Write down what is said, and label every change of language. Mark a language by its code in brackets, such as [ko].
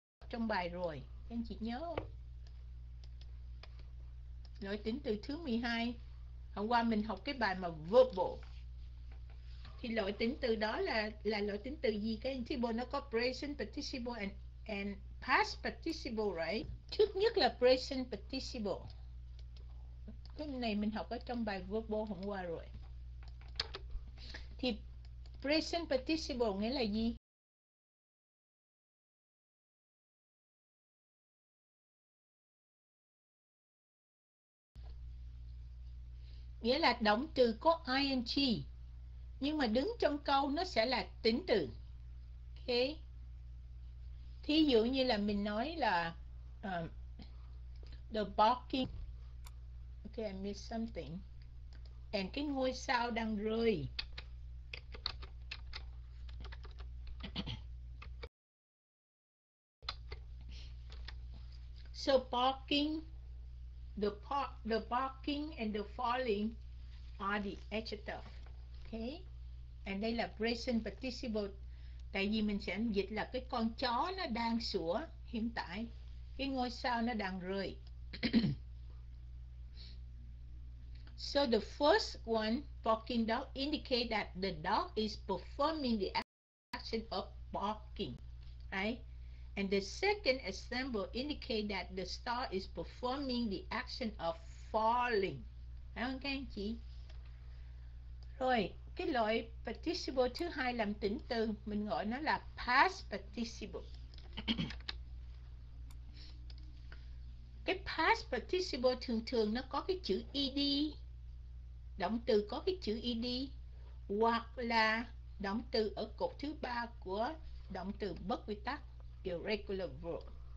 [vi] Trong bài rồi, anh chị nhớ không? Loại tính từ thứ 12, hôm qua mình học cái bài mà verbal. Thì loại tính từ đó là loại tính từ gì? [en] Cái participle [vi] nó có [en] present participle and past participle, right? [vi] Trước nhất là present participle. Cái này mình học ở trong bài verbal hôm qua rồi. Thì present participle nghĩa là gì? Nghĩa là động từ có ing nhưng mà đứng trong câu nó sẽ là tính từ. Ok, thí dụ như là mình nói là [en] the barking, ok, I missed something, and [vi] cái ngôi sao đang rơi. [en] So barking, the barking and the falling are the adjective. Okay. And [vi] đây là present participle. Tại vì mình sẽ dịch là cái con chó nó đang sủa hiện tại. Cái ngôi sao nó đang rơi. [en] So the first one, barking dog, indicate that the dog is performing the action of barking. Right? And the second example indicate that the star is performing the action of falling. [vi] Phải không các anh chị? Rồi, cái loại participle thứ hai làm tính từ, mình gọi nó là past participle. Cái past participle thường thường nó có cái chữ ed, động từ có cái chữ ed, hoặc là động từ ở cột thứ ba của động từ bất quy tắc, irregular verb.